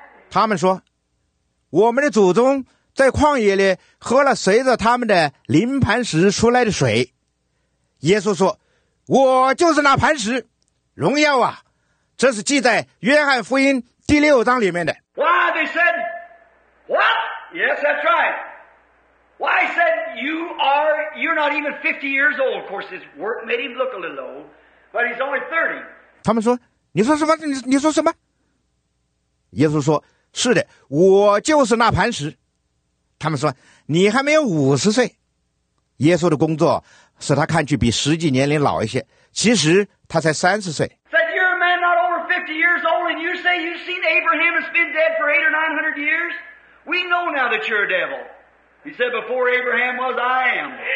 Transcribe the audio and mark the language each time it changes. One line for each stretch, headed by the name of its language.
Chinese: 他们说，我们的祖宗在旷野里喝了随着他们的灵磐石出来的水。耶稣说，我就是那磐石，荣耀啊！这是记在约翰福音第六章里面的。
English: Why they said what? Yes, that's right. Why said you're not even 50 years old. Of course, his work made him look a little old, but he's only 30.
Chinese: 他们说，你说什么？你说什么？耶稣说，是的，我就是那磐石。他们说，你还没有50岁。耶稣的工作使他看去比实际年龄老一些，其实他才30岁。
English: Said you're a man not over 50 years old, and you say you've seen Abraham has been dead for 800 or 900 years. We know now that you're a devil. He said, "Before Abraham was, I am."